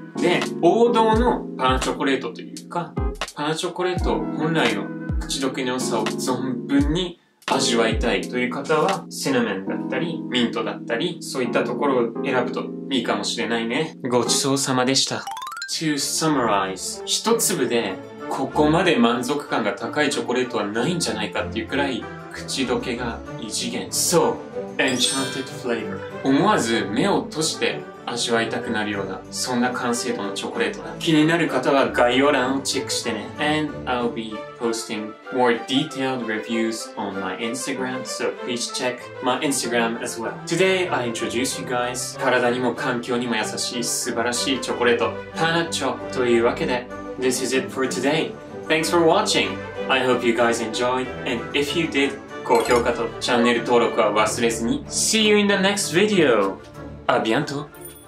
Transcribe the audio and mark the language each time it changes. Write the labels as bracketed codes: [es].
[ja] で、王道のパナチョコレートというか、パナチョコレート本来の口どけの良さを存分に味わいたいという方は、シナメンだったり、ミントだったり、そういったところを選ぶといいかもしれないね。ごちそうさまでした。 [en] To summarize、 [ja] 一粒でここまで満足感が高いチョコレートはないんじゃないかっていうくらい、口どけが異次元。 [en] そう、Enchanted Flavor。 [ja] 思わず目を閉じて味わいたくなるような、そんな完成度のチョコレートだ。気になる方は概要欄をチェックしてね。 [en] And I'll be posting more detailed reviews on my Instagram, so please check my Instagram as well. Today I introduce you guys [ja] 体にも環境にも優しい素晴らしいチョコレート、パナチョ。というわけで、 [en] This is it for today. Thanks for watching. I hope you guys enjoyed, and if you did、 [ja] 高評価とチャンネル登録は忘れずに。 [en] See you in the next video! [fr] A bientôt!